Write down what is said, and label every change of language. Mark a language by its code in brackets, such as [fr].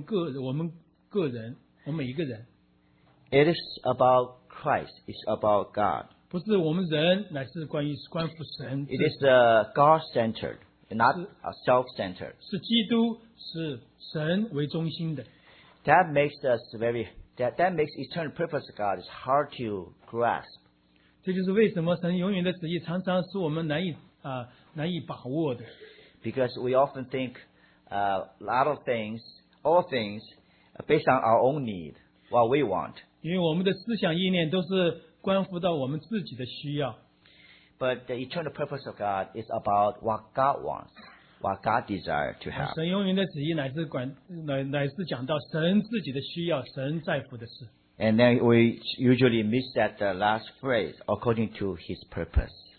[zh] 因为关于神永远的旨意不是指我们个人，我们每一个人。 [en] It is about Christ. It's about God. [zh] 不是我们人，乃是关乎神。 [en] It is God-centered, not self-centered. [zh] 是基督，是神为中心的。 [en] That makes us very. That makes eternal purpose God is hard to grasp. [zh] 这就是为什么神永远的旨意常常使我们难以把握的。 [en] Because we often think a lot of things, all things, based on our own need, what we want. [zh] 因为我们的思想意念都是关乎到我们自己的需要。 [en] But the eternal purpose of God is about what God wants, what God desires to have. [zh] 神永远的旨意乃是讲到神自己的需要，神在乎的事。 [en] And then we usually miss that the last phrase, according to his purpose.